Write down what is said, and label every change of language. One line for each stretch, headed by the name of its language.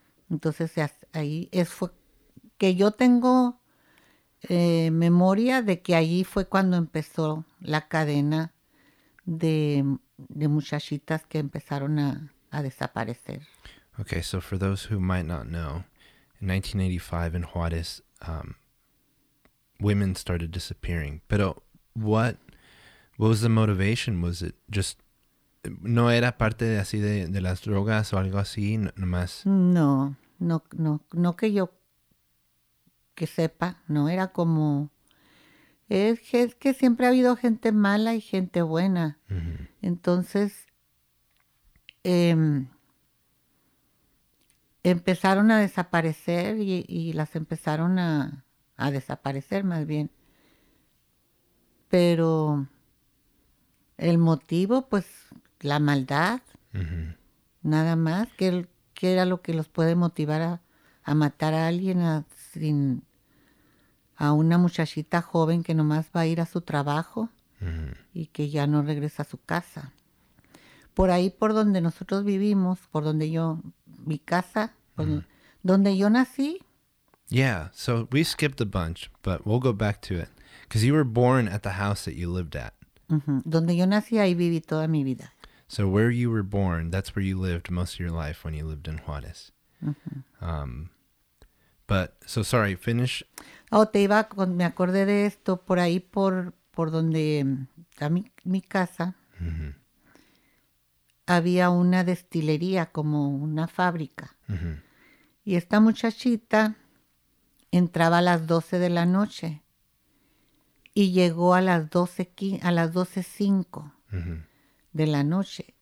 Spanish: Entonces ahí fue que yo tengo memoria de que allí fue cuando empezó la cadena de muchachitas que empezaron a desaparecer.
English: Okay, so for those who might not know, in 1985 in Juárez, women started disappearing.
Spanish: Pero
English: what was the motivation? Was it just
Spanish: no era parte de así de las drogas o algo así, nomás? No, no, no, no que yo que sepa, no era como Es que siempre ha habido gente mala y gente buena. Entonces, empezaron a desaparecer y las empezaron a desaparecer más bien. Pero el motivo, pues, la maldad, nada más, que era lo que los puede motivar a matar a alguien a una muchachita joven que nomás va a ir a su trabajo y que ya no regresa a su casa. Por ahí, por donde nosotros vivimos, por donde yo, mi casa, donde yo nací.
English: Yeah, so we skipped a bunch, but we'll go back to it. Because you were born at the house that you lived at.
Spanish: Donde yo nací, ahí viví toda mi vida.
English: So where you were born, that's where you lived most of your life when you lived in Juárez. But, so sorry, finish.
Spanish: Oh, te iba, me acordé de esto, por ahí por donde, a mi casa, había una destilería, como una fábrica. Y esta muchachita entraba a las 12 de la noche y llegó a las 12:05 de la noche.